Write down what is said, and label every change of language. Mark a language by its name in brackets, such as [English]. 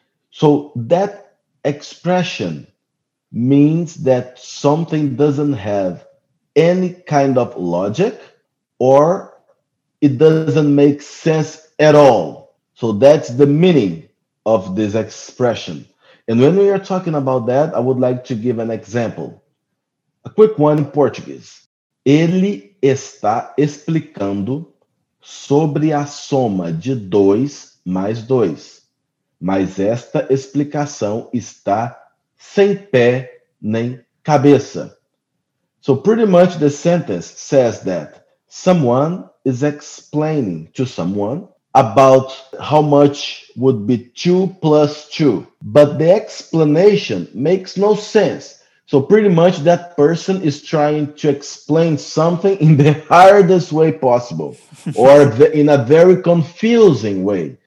[English] So that expression means that something doesn't have any kind of logic, or it doesn't make sense at all. So that's the meaning of this expression. And when we are talking about that, I would like to give an example. A quick one in Portuguese. [Portuguese] Ele está explicando sobre a soma de 2 mais 2. Mas esta explicação está sem pé nem cabeça. [English] So pretty much the sentence says that someone is explaining to someone about how much would be 2 plus 2, but the explanation makes no sense. So pretty much that person is trying to explain something in the hardest way possible, or in a very confusing way.